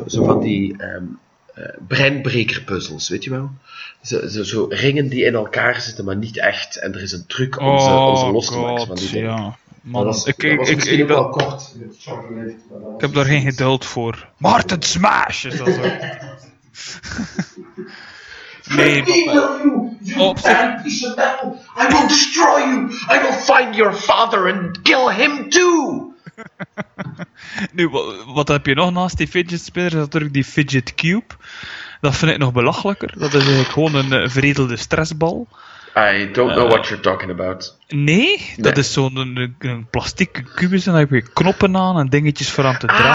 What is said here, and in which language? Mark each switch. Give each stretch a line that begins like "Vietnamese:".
Dutch: Zo van die breinbrekerpuzzels, weet je wel? Zo ringen die in elkaar zitten, maar niet echt. En er is een truc om ze los te maken van die dingen. Ja. Man, dat was misschien wel kort. Ik heb daar geen geduld voor. Martin Smash is dat zo.
English: Nee, you piece of metal! I will destroy you! I will find your father and kill him too!
Dutch: Nu, wat heb je nog naast die fidget spinner? Dat is natuurlijk die fidget cube. Dat vind ik nog belachelijker. Dat is eigenlijk gewoon een verredelde stressbal.
English: I don't know what you're talking about.
Dutch: Nee, dat is zo'n een plastic kubus en daar heb je knoppen aan en dingetjes voor aan te draaien.